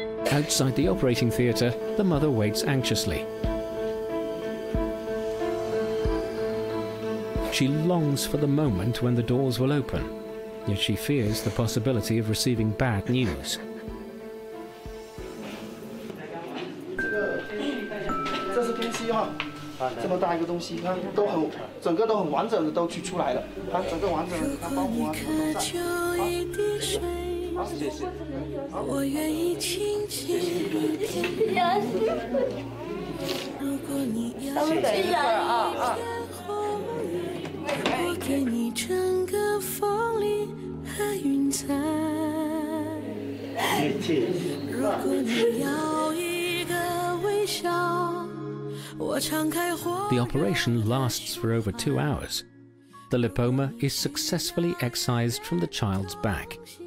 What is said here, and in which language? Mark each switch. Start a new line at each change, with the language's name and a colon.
English: Outside the operating theater, the mother waits anxiously. She longs for the moment when the doors will open, yet she fears the possibility of receiving bad news.
Chinese: This is PC, 这么大一个东西，它都很，整个都很完整的都取出来了，它整个完整的，它包括啊什么都在。好，谢谢。我愿意倾尽一切。如果你要等一会儿啊。我给你整个风里和云彩。如果你要一个微笑，我敞开怀。
English: The operation lasts for over 2 hours. The lipoma is successfully excised from the child's back.